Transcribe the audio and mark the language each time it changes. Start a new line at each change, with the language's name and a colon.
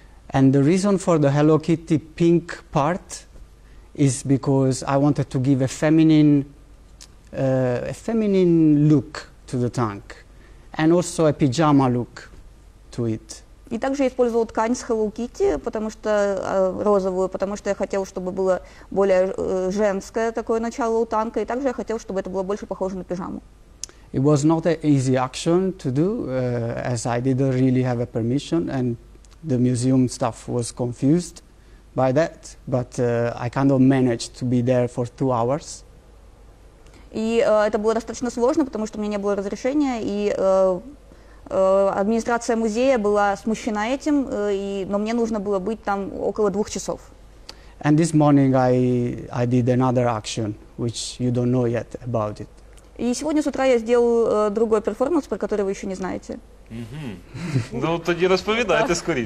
English: And the reason for the Hello Kitty pink part is because I wanted to give a feminine look to the tank, and also a pajama look to it.
Russian: И также я использовала ткань с Hello Kitty, потому что розовую, потому что я хотел, чтобы было более женское такое начало у танка, и также я хотел, чтобы это было больше похоже на пижаму.
English: It was not an easy action to do, as I didn't really have a permission, and the museum staff was confused by that, but I kind of managed to be there for 2 hours.
Russian: И это было достаточно сложно, потому что у меня не было разрешения, и администрация музея была смущена этим, но мне нужно было быть там около 2 часов.
English: And this morning I did another action, which you don't know yet about it.
Russian: И сегодня с утра я сделал другой перформанс, про который вы еще не знаете. Ну, тогда расповедайте скорее.